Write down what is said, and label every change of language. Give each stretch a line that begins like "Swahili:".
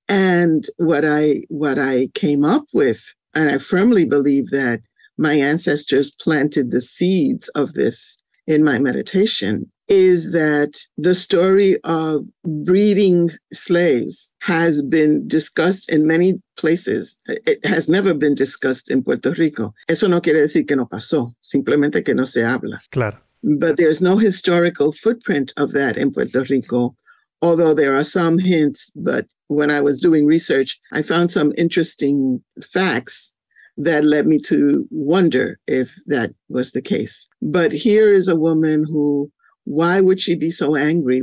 English: And what I came up with, and I firmly believe that my ancestors planted the seeds of this in my meditation, is that the story of breeding slaves has been discussed in many places. It has never been discussed in Puerto Rico.
Spanish: Eso no quiere decir que no pasó, simplemente que no se habla. Claro.
English: But there's no historical footprint of that in Puerto Rico, although there are some hints. But when I was doing research, I found some interesting facts that led me to wonder if that was the case. But here is a woman who, why would she be so angry?